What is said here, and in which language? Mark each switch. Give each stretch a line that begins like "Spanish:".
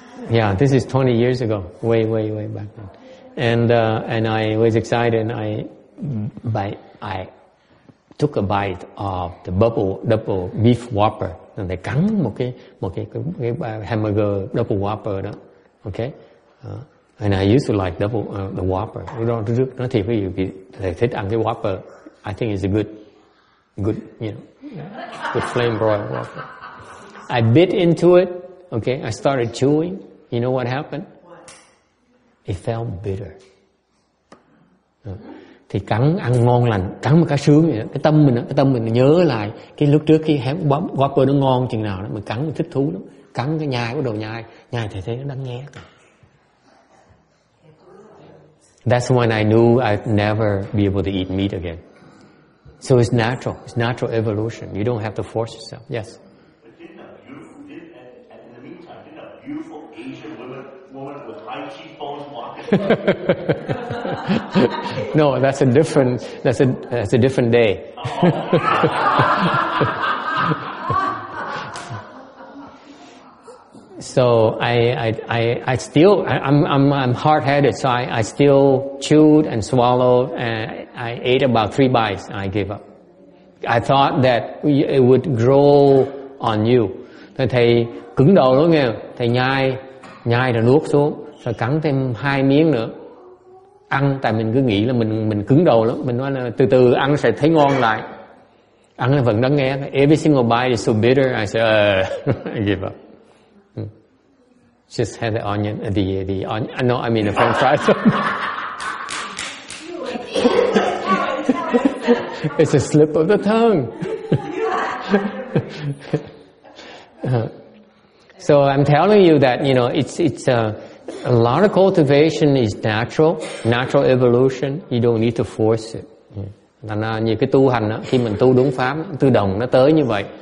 English: Yeah, this is 20 years ago, way, way, way back then. And I was excited, and I took a bite of the double beef whopper. And they
Vietnamese: cắn một cái
English: hamburger double whopper đó, okay? And I used to like the whopper.
Vietnamese: Nói thiệt với you, thầy thích ăn cái whopper.
English: I think it's a good, you know, good flame broiled whopper. I bit into it, okay? I started chewing. You know what happened? What? It felt bitter.
Vietnamese: Thì cắn ăn ngon lành, cắn một cái sướng vậy đó. Cái tâm mình nhớ lại cái lúc trước cái whopper nó ngon chừng nào đó, mình cắn mình thích thú lắm. cắn cái nhai, bắt đầu nhai, nhai thì thấy nó đang nghe.
English: That's when I knew I'd never be able to eat meat again. So it's natural. It's natural evolution. You don't have to force yourself. Yes. But didn't a beautiful, and in the meantime, didn't a beautiful Asian woman with high cheekbones walk? No, that's a different. That's a different day. So I'm hard headed. So I still chewed and swallowed, and I ate about 3 bites. And I gave up. I thought that it would grow on you.
Vietnamese: Thầy cứng đầu đó nghe. Thầy nhai rồi nuốt xuống, rồi cắn thêm 2 miếng nữa. Ăn, tại mình cứ nghĩ là mình cứng đầu lắm. Mình nói là từ từ ăn sẽ thấy ngon lại. Ăn vẫn đang nghe.
English: Every single bite is so bitter. I said I give up. Just had the onion, the onion. No, I mean the French fries. It's a slip of the tongue. So I'm telling you that, you know, it's a lot of cultivation is natural evolution. You don't need to force it.
Vietnamese: Thành ra như cái tu hành đó, khi mình tu đúng pháp, tự động nó tới như vậy.